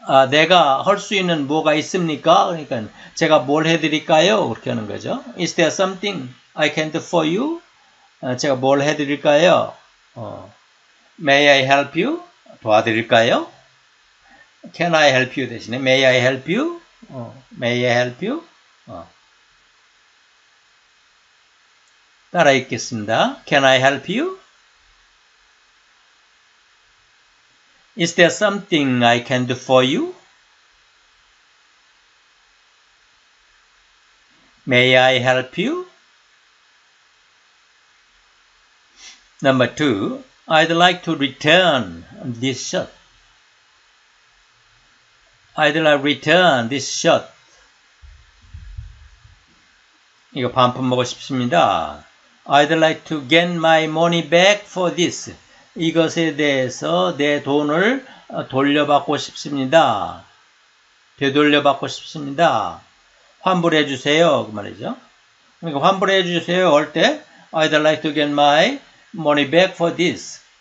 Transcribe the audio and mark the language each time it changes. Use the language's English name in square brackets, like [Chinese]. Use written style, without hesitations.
[Korean] 내가 할 수 있는 뭐가 있습니까? 그러니까 제가 뭘 해드릴까요? 그렇게 하는 거죠. [English] Is there something I can do for you? [Korean] 제가 뭘 해드릴까요? [English] May I help you? [Korean] 도와드릴까요? [English] Can I help you? [Korean] 대신에 [English] May I help you? May I help you? [Korean] 따라 읽겠습니다. [English] Can I help you? Is there something I can do for you? May I help you? Number two, I'd like to return this shirt. I'd like to return this shirt. [Korean] 이거 반품 먹고 싶습니다. [English] I'd like to get my money back for this. [Korean] 이것에 대해서 내 돈을 돌려받고 싶습니다. 되돌려받고 싶습니다. 환불해 주세요. 그 말이죠. 그러니까 환불해 주세요. 할 때 [English] I'd like to get my money back for this.